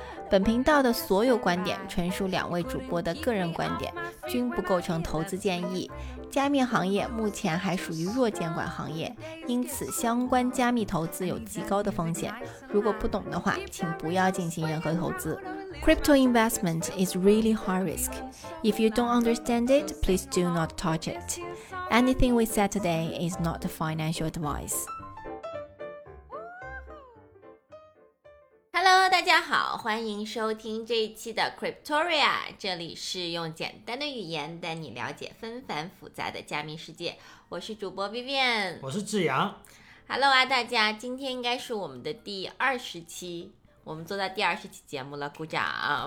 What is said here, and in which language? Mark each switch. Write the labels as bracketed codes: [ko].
[zh] 本频道的所有观点纯属两位主播的个人观点，均不构成投资建议。加密行业目前还属于弱监管行业，因此相关加密投资有极高的风险，如果不懂的话请不要进行任何投资。 [en] Crypto investment is really high risk. If you don't understand it, please do not touch it. Anything we said today is not financial advice. [zh] 大家好，欢迎收听这一期的 Cryptoria， 这里是用简单的语言带你了解纷繁复杂的加密世界。我是主播 Vivian，我是志阳。 Hello 啊，大家，今天应该是我们的第二十期，我们做到第二十期节目了，鼓掌啊！